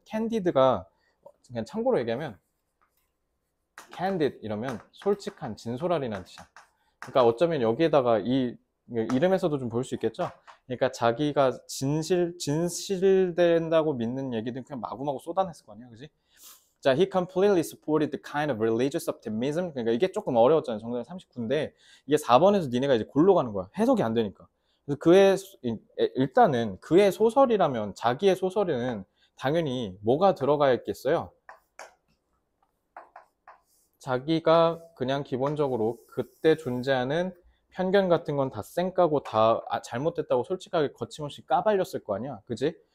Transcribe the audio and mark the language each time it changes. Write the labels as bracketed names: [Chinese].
[Korean] candid가 그냥 참고로 얘기하면 candid 이러면 솔직한, 진솔하리라는 뜻이야. 그러니까 어쩌면 여기에다가 이 이름에서도 좀볼수 있겠죠? 그러니까 자기가 진실된다고 믿는 얘기들 그냥 마구마구 쏟아냈을 거 아니야, 그지? [English] 자, he completely supported the kind of religious optimism. [Korean] 그러니까 이게 조금 어려웠잖아요. 정답이 39인데 이게 4번에서 니네가 이제 골로 가는 거야. 해석이 안 되니까. 그래서 일단은 그의 소설이라면 자기의 소설에는 당연히 뭐가 들어가 있겠어요? 자기가 그냥 기본적으로 그때 존재하는 편견 같은 건다 쌩까고 다 잘못됐다고 솔직하게 거침없이 까발렸을 거 아니야, 그지?